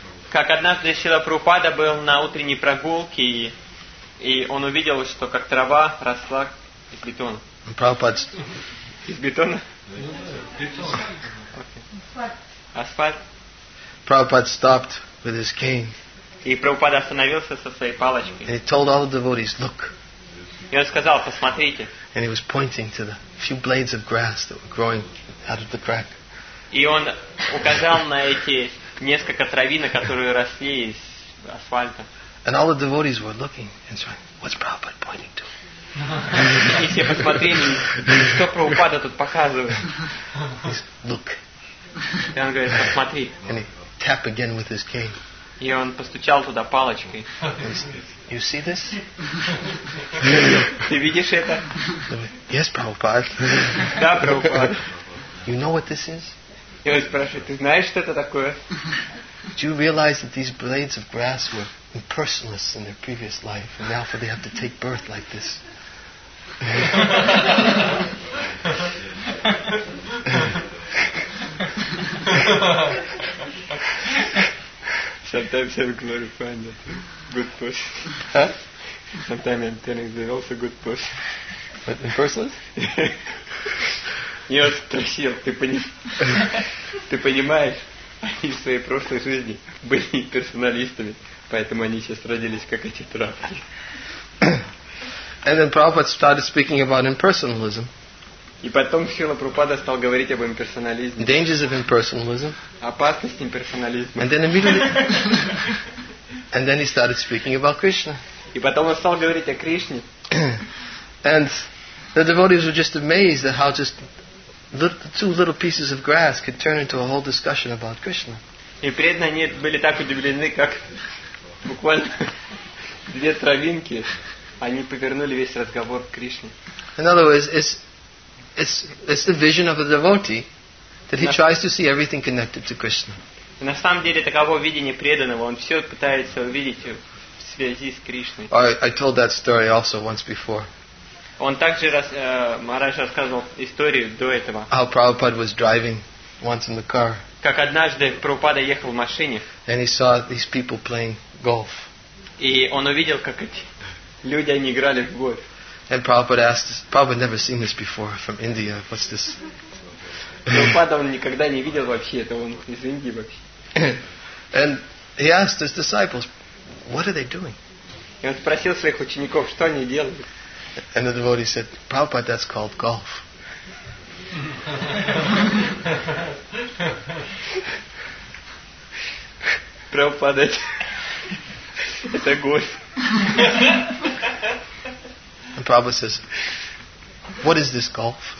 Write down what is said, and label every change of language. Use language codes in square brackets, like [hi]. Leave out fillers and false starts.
[ru] Как однажды Шрила Прабхупада был на утренней прогулке, и он увидел, что как трава росла из бетона. Прабхупада. Из бетона? Бетон. Асфальт. [en] Prabhupada stopped with his cane. [ru] И Прабхупада остановился со своей палочкой. [en] And he told all the devotees, "Look." [ru] И он сказал: "Посмотрите." [en] And he was pointing to the few blades of grass that were growing out of the crack. [ru] И он указал на эти несколько травинок, которые росли из асфальта. [en] And all the devotees were looking and saying, "What's Prabhupada pointing to?" [ru] И все посмотрели, что Прабхупада тут показывает. [en] Look. [ru] И он говорит: "Посмотри." [en] Tap again with his cane. [ru] И он постучал туда палочкой. [en] You see this? [ru] Ты видишь это? [en] Yes, Prabhupada. [ru] Да, Prabhupada. [en] You know what this is? [ru] И он спрашивает: ты знаешь, что это такое? [en] Do you realize that these blades of grass were impersonless in their previous life, and now for they have to take birth like this? Sometimes I'm glorifying that good push. Huh? Sometimes I'm telling them also good push. But in person? [ru] Я спросил, ты понимаешь, они в своей прошлой жизни были персоналистами, поэтому они сейчас родились как эти травки. [en] And then Prabhupada started speaking about impersonalism. [ru] И потом Шрила Прабхупада стал говорить об имперсонализме. [en] Dangers of impersonalism. [ru] Опасность имперсонализма. [en] And then immediately, and then he started speaking about Krishna. [ru] И потом он стал говорить о Кришне. [en] And the devotees were just amazed at how just the two little pieces of grass could turn into a whole discussion about Krishna. [ru] И преданные они были так удивлены, как буквально две травинки, они повернули весь разговор к Кришне. [en] In other words, It's the vision of a devotee that he tries to see everything connected to Krishna. [ru] На самом деле таково видение преданного. Он все пытается увидеть в связи с Кришной. [en] I told that story also once before. [ru] Он также Мараш рассказывал историю до этого. [en] How Prabhupada was driving once in the car. [ru] Как однажды Прабхупада ехал в машине. [en] And he saw these people playing golf. [ru] И он увидел, как эти люди они играли в гольф. [en] And Prabhupada asked, Prabhupada never seen this before from India. What's this? [ru] Prabhupada он никогда не видел вообще это. Он из Индии вообще. [en] And he asked his disciples, what are they doing? [ru] И он спросил своих учеников, что они делают. [en] And the devotee said, Prabhupada, that's called golf. [ru] Prabhupada, это гольф. [en] And Prabhupada says, what is this golf?